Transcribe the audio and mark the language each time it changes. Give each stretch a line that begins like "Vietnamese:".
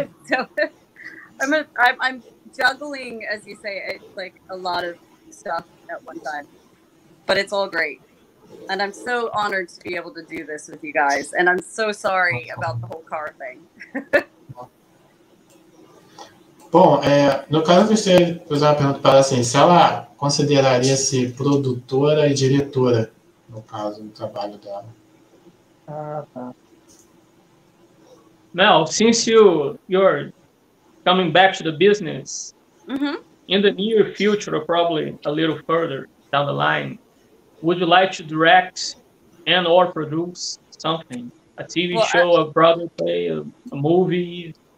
English: So I'm juggling, as you say, it's like a lot of stuff at one time. But it's all great. And I'm so honored to be able to do this with you guys. And I'm so sorry about the whole car thing.
Portuguese: Bom, no caso, eu gostaria de fazer uma pergunta para ela, assim, se ela consideraria-se produtora e diretora, no caso, no trabalho dela. Ah, tá.
English: Mel, since you're coming back to the business, mm-hmm. In the near future, or probably a little further down the line, would you like to direct and or produce something? A TV show, a Broadway play, a movie?